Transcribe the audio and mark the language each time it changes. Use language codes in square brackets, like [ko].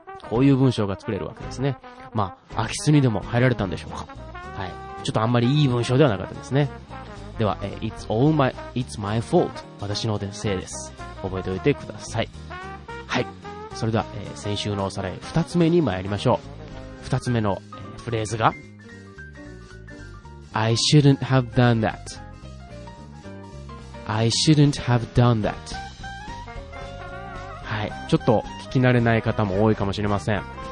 [ja] こういう文章が作れるわけですね。まあ空き巣にでも入られたんでしょうか。はい。ちょっとあんまりいい文章ではなかったですね。では、 [en] It's my fault [ja] 私のせいです。覚えておいてください。はい。それでは、先週のおさらい2つ目に参りましょう。 2つ目のフレーズが [en] I shouldn't have done that I shouldn't have done that。 [ja] はい。ちょっと聞き慣れない方も多いかもしれません。